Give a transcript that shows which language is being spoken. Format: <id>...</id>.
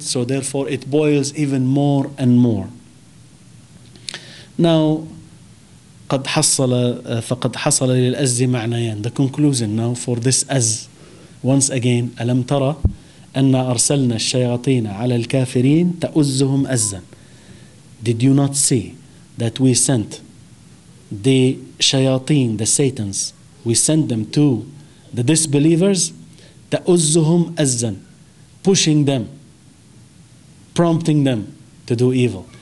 <en>So therefore it boils even more and more.</en> <ar>Now, قد حصل فقد حصل للأز معنيان.</ar> <en>The conclusion now for this أز. Once again,</en> <ar>ألم ترى أن أرسلنا الشياطين على الكافرين تأزهم أزا.</ar> <en>Did you not see that we sent the shayateen, the satans, we sent them to the disbelievers,</en> <ar>تأزهم أزا,</ar> <en>pushing them, prompting them to do evil.</en>